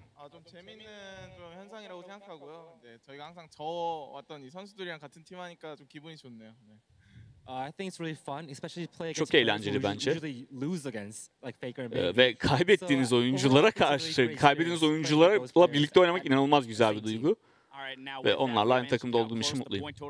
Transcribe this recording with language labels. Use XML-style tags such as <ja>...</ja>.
<ko>좀 재밌는 좀 현상이라고 생각하고요. 네, 저희가 항상 저왔던 이 선수들이랑 같은 팀 하니까 좀 기분이 좋네요. 네.</ko> <en>I think it's really fun, especially play against.</en> <tr>Çok eğlenceli bence.</tr> <en>Lose against like Faker and</en> <tr>ve kaybettiğiniz oyunculara karşı, kaybettiğiniz oyuncularla birlikte oynamak inanılmaz güzel bir duygu. Ve onlarla aynı takımda olduğum için mutluyum.</tr>